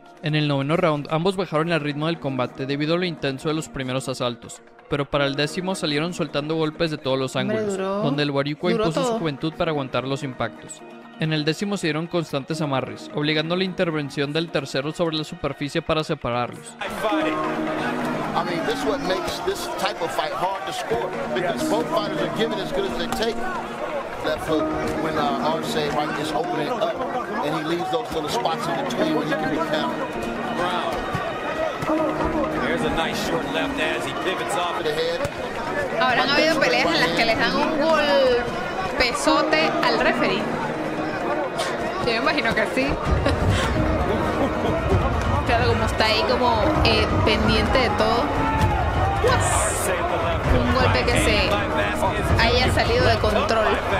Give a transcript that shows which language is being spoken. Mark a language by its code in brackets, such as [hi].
[es] En el noveno round, ambos bajaron el ritmo del combate debido a lo intenso de los primeros asaltos, pero para el décimo salieron soltando golpes de todos los ángulos, donde el boricua impuso su juventud para aguantar los impactos. En el décimo se dieron constantes amarres, obligando a la intervención del tercero sobre la superficie para separarlos. [en] I mean, this is what makes this type of fight hard to score because both fighters are giving as good as they take. Left hook when Arce right is opening up and he leaves those little spots in between where he can be counted. Brown. There's lands a nice short left as he pivots off the head. [es] Ahora han habido peleas en las que les dan un golpesote al referee. Yo me imagino que sí. Claro, como está ahí como pendiente de todo. Un golpe que se haya salido de control.